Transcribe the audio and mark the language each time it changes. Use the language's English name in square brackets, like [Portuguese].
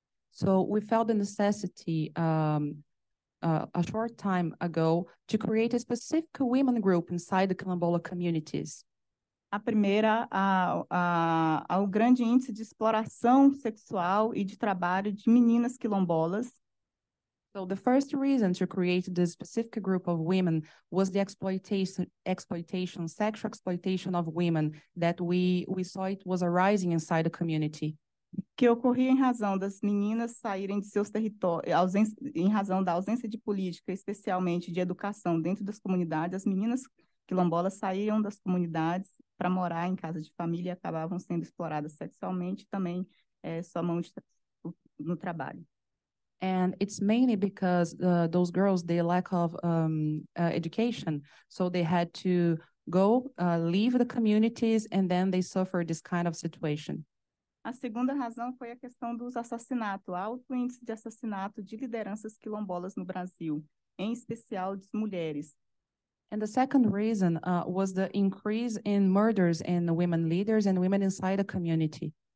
[English] So we felt the necessity a short time ago to create a specific women group inside the quilombola communities. [Portuguese] A primeira, ao grande índice de exploração sexual e de trabalho de meninas quilombolas. [English] So the first reason to create this specific group of women was the sexual exploitation of women that we saw it was arising inside the community. [Portuguese] Que ocorria em razão das meninas saírem de seus territórios, em razão da ausência de política, especialmente de educação dentro das comunidades, as meninas quilombolas saíam das comunidades para morar em casa de família e acabavam sendo exploradas sexualmente também, sua mão no trabalho. [English] And it's mainly because those girls, they lack of education, so they had to go, leave the communities, and then they suffered this kind of situation. [Portuguese] A segunda razão foi a questão dos assassinatos, alto índice de assassinato de lideranças quilombolas no Brasil, em especial de mulheres. [English] And the second reason was the increase in murders in women leaders and women inside the community.